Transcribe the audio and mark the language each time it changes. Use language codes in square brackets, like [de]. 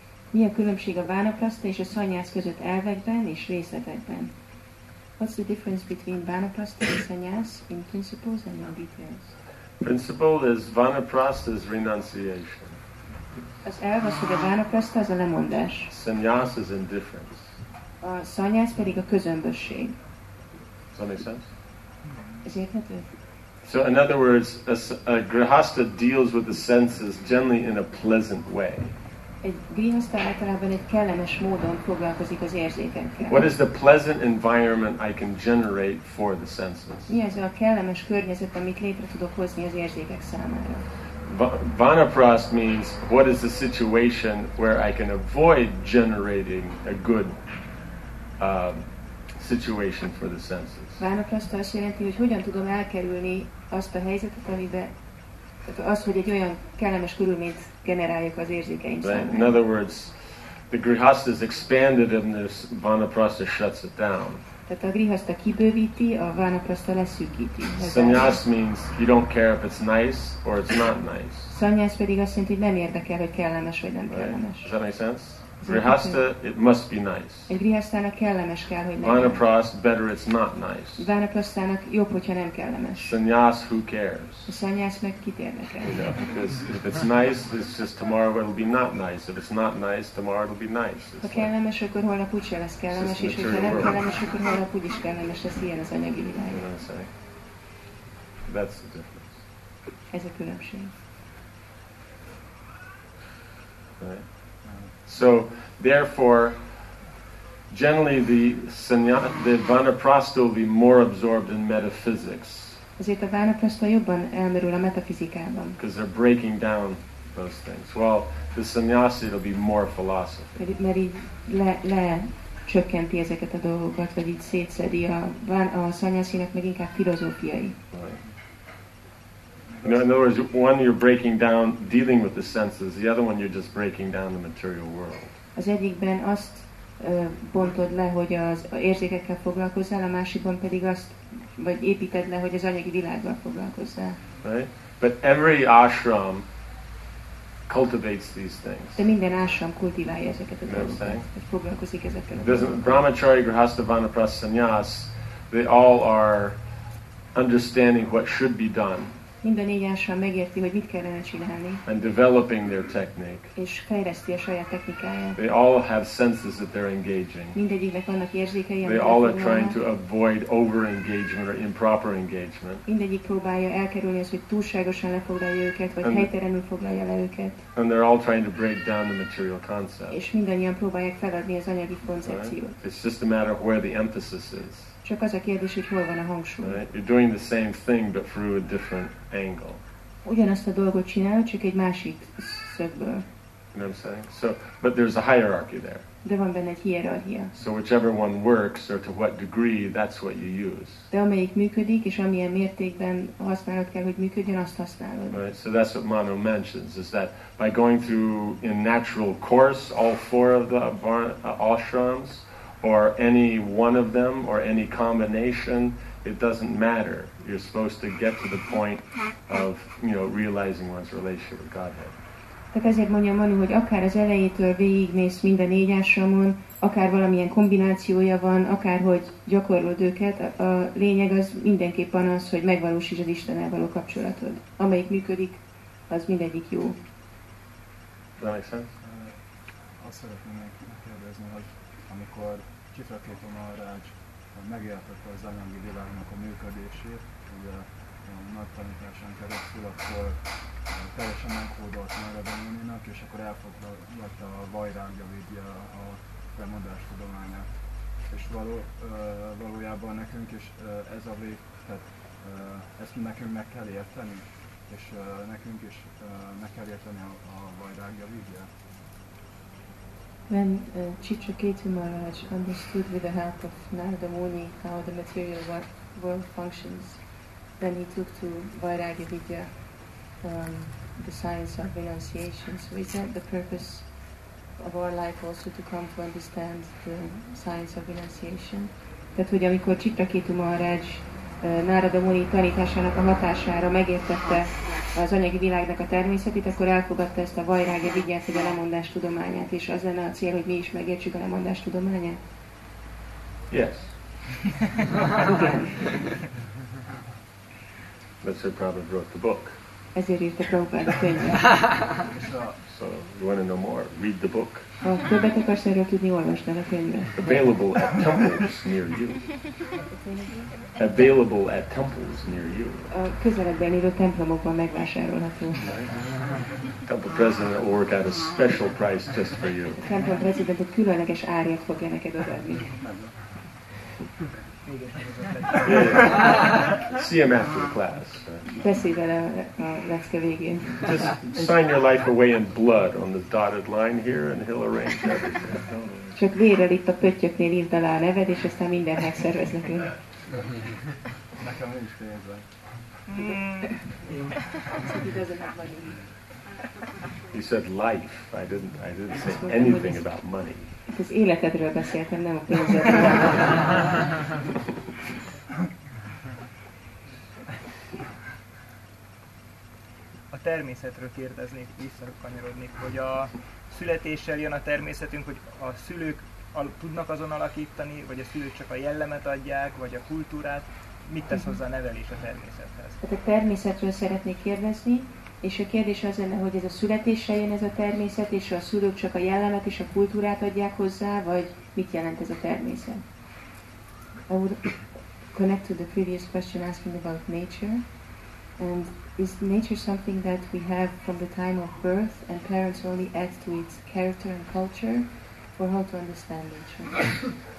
[hu] Mi a különbség a vanaprasta és a szanyász között elvekben és részletekben? [en] What's the difference between vanaprasta and sanyas in principles and in details? Principle is vanaprasta is renunciation. [hu] Az elv az, hogy a vanaprasta az a lemondás. [en] Sanyas is indifference. [hu] A szanyász pedig a közömbösség. [en] Does that make sense? [hu] Ez érthető? [en] So in other words, a grihastha deals with the senses generally in a pleasant way. [hu] Egy grihastha általában egy kellemes módon foglalkozik az érzékekkel. [en] What is the pleasant environment I can generate for the senses? [hu] Mi az a kellemes környezet, amit létre tudok hozni az érzékek számára? [en] Vanaprast means what is the situation where I can avoid generating a good situation for the senses. [hu] Vanaprasta azt jelenti, hogy hogyan tudom elkerülni azt a helyzetet, amiben az, hogy egy olyan kellemes körülményt generáljuk az érzékeim számára. [en] In other words, the grihastha is expanded and the vanaprasta shuts it down. [hu] Tehát a grihastha kibővíti, a vanaprasta leszűkíti. [en] Sanyas means you don't care if it's nice or it's not nice. [hu] Sanyas pedig azt jelenti, hogy nem érdekel, hogy kellemes vagy nem kellemes. [en] Does that make sense? Grihastha, it must be nice. [hu] Egy grihasztának kellemes kell, hogy legyen. [en] Vanaprast, better it's not nice. [hu] Vanaprasztának jobb, hogyha nem kellemes. [en] Sanyas, who cares? [hu] A sanyas meg kit érdekel? [en] If it's nice, it's just tomorrow it'll be not nice. If it's not nice, tomorrow it'll be nice. [hu] Ha kellemes, akkor holnap úgy se lesz kellemes, és hogyha nem kellemes, akkor holnap úgy is kellemes lesz, ilyen az anyagi világ. [en] You know what I'm saying? That's the difference. [hu] Ez a különbség. [en] So, therefore, generally the vanaprasta will be more absorbed in metaphysics. [hu] Ezért a vanaprasta jobban elmerül a metafizikában. [en] Because they're breaking down those things. Well, the sannyasi will be more philosophy. [hu] Mert így lecsökkenti ezeket a dolgokat, vagy így szétszedi a sannyasinak meg inkább filozófiai. [en] You know, in other words, one you're breaking down dealing with the senses, the other one you're just breaking down the material world. [hu] Az egyikben azt bontod le, hogy az érzékekkel foglalkozzál, a másikon pedig azt, vagy építed le, hogy az anyagi világgal foglalkozzál. [en] Right? But every ashram cultivates these things. [hu] De minden ashram kultiválja ezeket a dolgokat. Foglalkozik ezekkel a dolgokat. [en] Brahmacharya, grihastha, vanaprastha, sannyas, they all are understanding what should be done. [hu] mind a négy ásrám megérti, hogy mit kellene csinálni. [en] And developing their technique. [hu] És fejleszti a saját technikáját. [en] They all have senses that they're engaging. [hu] Mindegyiknek vannak érzékei. [en] They all are trying to avoid over-engagement or improper engagement. [hu] Mindegyik próbálja elkerülni azt, hogy túlságosan lefoglalja őket, vagy helytelenül foglalja le őket. [en] And they're all trying to break down the material concept. [hu] És mindannyian próbálják feladni az anyagi koncepciót. [en] Right? It's just a matter of where the emphasis is. [hu] Csak az a kérdés, hogy hol van a hangsúly. [en] Right? You're doing the same thing, but through a different angle. [hu] Ugyanazt a dolgot csinál, csak egy másik szögből. [en] You know what I'm saying? So, but there's a hierarchy there. [hu] De van benne egy hierarchia. [en] So whichever one works, or to what degree, that's what you use. [hu] De amelyik működik, és amilyen mértékben használod kell, hogy működjön, azt használod. [en] Right? So that's what Manu mentions, is that by going through in natural course all four of the ashrams, or any one of them, or any combination, it doesn't matter. You're supposed to get to the point of, you know, realizing one's relationship with Godhead. [hu] Tehát ezért mondja Manu, hogy akár az elejétől végigmész mind a négy ásramon, akár valamilyen kombinációja van, akár hogy gyakorlod őket, a lényeg az mindenképpen az, hogy megvalósítsd az Istennel való kapcsolatod. Amelyik működik, az mindegyik jó. [en] That makes sense? [hu] Azt szeretném megkérdezni, hogy amikor kifeklítom a rács, hogy megértette az anyagi világnak a működését, ugye a nagy tanításán keresztül, akkor teljesen meghódolt Maradoninak, és akkor elfoglalt a vajrágya vidja a bemondás tudományát. És valójában nekünk is ez a vég, tehát ezt nekünk meg kell érteni, és nekünk is meg kell érteni a vajrágya vidja. [en] When Chitraketu Maharaj understood with the help of Narada Muni how the material world functions, then he took to Vairagya Vidya, the science of renunciation. So is that the purpose of our life also to come to understand the science of renunciation? [hu] Tehát, hogy amikor Chitraketu Maharaj Narada Muni tanításának a hatására megértette az anyagi világnak a természetét, akkor elfogadta ezt a Vairagya Vidyát, hogy a lemondás tudományát, és az lenne a cél, hogy mi is megértsük a lemondás tudományát? [en] Yes. That's why Prabhupada wrote the book. [hu] Ezért írta Prabhupada a könyvet. [en] So, you want to know more? Read the book. [hu] Ha többet akarsz erről tudni, olvasd el a könyvet. [en] Available at temples near you. Available at temples near you. [hu] A közeledben lévő templomokban megvásárolható. [en] Temple president will work out a special price just for you. [hu] A templom president egy különleges árat fogja neked adni. [en] See him after the class. [hu] Beszélj vele a lecke végén. [en] Just sign your life away in blood on the dotted line here and he'll arrange everything. [hu] Csak vérrel itt a pöttyöknél írd alá a neved, és aztán mindent megszervez nekünk. Nekem nincs pénzem. [en] You said life. I didn't say anything about money. [hu] Itt az életedről beszéltem, nem a pénzedről. A természetről kérdeznék, visszakanyarodnék, hogy a születéssel jön a természetünk, hogy a szülők tudnak azon alakítani, vagy a szülők csak a jellemet adják, vagy a kultúrát. Mit tesz hozzá a nevelés a természethez? Tehát a természetről szeretnék kérdezni. És a kérdés az lenne, hogy ez a születéssel jön ez a természet, és a szülők csak a jellemet és a kultúrát adják hozzá, vagy mit jelent ez a természet? [en] I would connect to the previous question asking about nature. And is nature something that we have from the time of birth and parents only add to its character and culture? Or how to understand nature?